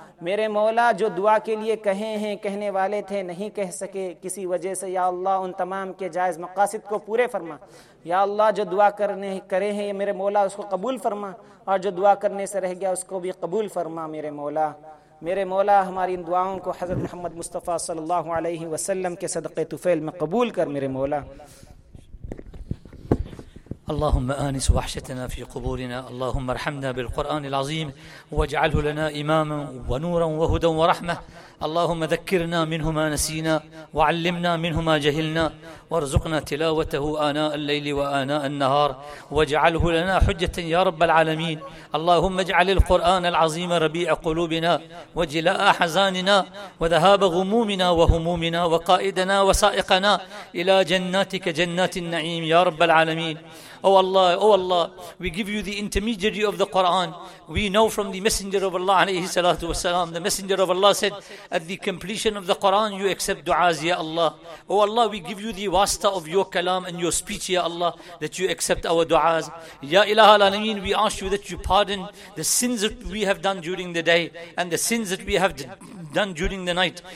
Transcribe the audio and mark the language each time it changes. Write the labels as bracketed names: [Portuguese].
[Urdu] میرے مولا جو دعا کے لیے کہے ہیں, کہنے والے تھے نہیں کہہ سکے کسی وجہ سے, یا اللہ ان تمام کے جائز مقاصد کو پورے فرما. یا اللہ جو دعا کرے ہیں میرے مولا اس کو قبول فرما, اور جو دعا کرنے سے رہ گیا اس کو بھی قبول فرما میرے مولا. میرے مولا ہماری ان دعاؤں کو حضرت محمد مصطفیٰ صلی اللہ علیہ وسلم کے صدقے طفیل میں قبول کر میرے مولا. [Arabic] اللهم آنس وحشتنا في قبورنا, اللهم ارحمنا بالقرآن العظيم واجعله لنا إماما ونورا وهدى ورحمة, اللهم ذكرنا منه ما نسينا وعلمنا منه ما جهلنا وارزقنا تلاوته آناء الليل وآناء النهار واجعله لنا حجة يا رب العالمين. اللهم اجعل القرآن العظيم ربيع قلوبنا وجلاء أحزاننا وذهاب غمومنا وهمومنا وقائدنا وسائقنا إلى جناتك جنات النعيم يا رب العالمين. [English] Oh Allah, we give you the intermediary of the Quran. We know from the Messenger of Allah alayhi salatu wasalam, the Messenger of Allah said, at the completion of the Quran, you accept du'as, ya Allah. Oh Allah, we give you the wasta of your kalam and your speech, ya Allah, that you accept our du'as. Ya ilaha al-alameen, we ask you that you pardon the sins that we have done during the day and the sins that we have done during the night.